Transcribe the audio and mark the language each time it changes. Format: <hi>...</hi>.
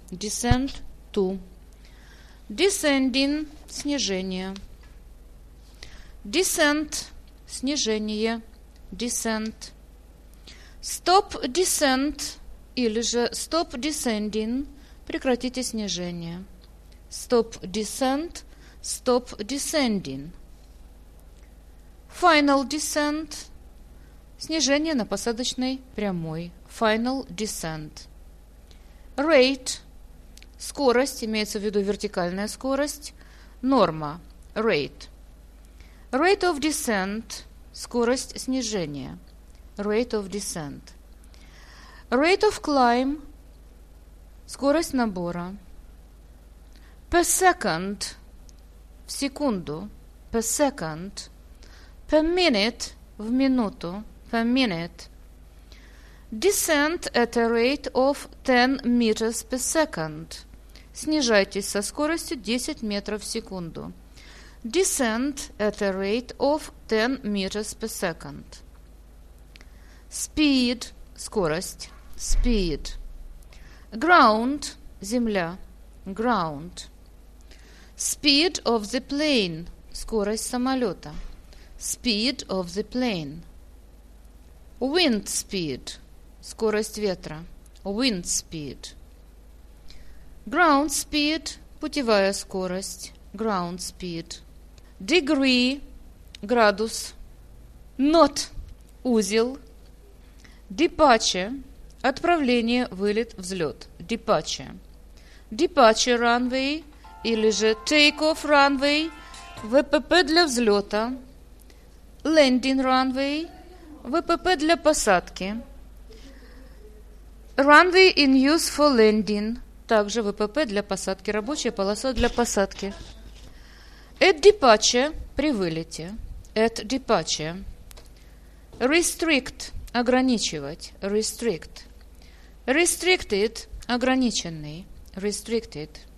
<en>Descend to. Descending – снижение. Descent – снижение. Descent. Stop descent</en> <ru>или же</ru> <en>stop descending –</en> <ru>прекратите снижение.</ru> <en>Stop descent – stop descending. Final descent –</en> <ru>Снижение на посадочной прямой.</ru> <en>Final descent. Rate.</en> <ru>Скорость, имеется в виду вертикальная скорость.</ru> <en>Норма. Rate. Rate of descent.</en> <ru>Скорость снижения.</ru> <en>Rate of descent. Rate of climb.</en> <ru>Скорость набора.</ru> <en>Per second.</en> <ru>В секунду.</ru> <en>Per second. Per minute.</en> <ru>В минуту.</ru> <en>Per minute. Descent at a rate of 10 meters per second.</en> <ru>Снижайтесь со скоростью 10 метров в секунду.</ru> <en>Descent at a rate of 10 meters per second. Speed. Скорость. Speed. Ground. Земля. Ground. Speed of the plane.</en> <ru>Скорость самолета.</ru> <en>Speed of the plane. Wind speed.</en> <ru>Скорость ветра.</ru> <en>Wind speed. Ground speed.</en> <ru>Путевая скорость.</ru> <en>Ground speed. Degree. Градус. Knot. Узел. Departure.</en> <ru>Отправление, вылет, взлет.</ru> <en>Departure. Departure runway.</en> <ru>Или же</ru> <en>take off runway.</en> <ru>ВПП для взлета.</ru> <en>Landing runway.</en> <ru>ВПП для посадки.</ru> <en>Runway in use for landing.</en> <ru>Также ВПП для посадки. Рабочая полоса для посадки.</ru> <en>At departure.</en> <ru>При вылете.</ru> <en>At departure. Restrict. Ограничивать. Restrict. Restricted. Ограниченный. Restricted.</en>